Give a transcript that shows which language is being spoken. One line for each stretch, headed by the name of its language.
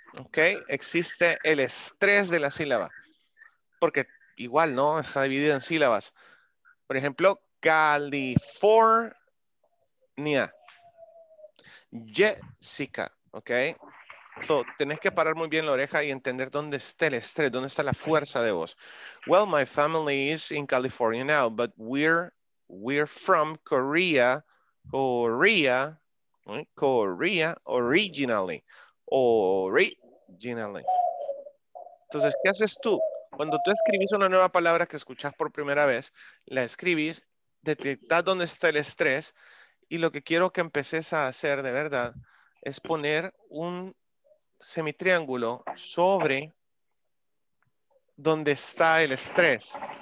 Spanish: Ok, existe el estrés de la sílaba, porque igual, ¿no? Está dividido en sílabas. Por ejemplo, California, Jessica, ok. So, tenés que parar muy bien la oreja y entender dónde está el estrés, dónde está la fuerza de voz.
English: Well, my family is in California now, but we're from Korea originally, Originally.
Spanish: Entonces, ¿qué haces tú? Cuando tú escribís una nueva palabra que escuchas por primera vez, la escribís, detectas dónde está el estrés, y lo que quiero que empeces a hacer de verdad es poner un semitriángulo sobre dónde está el estrés.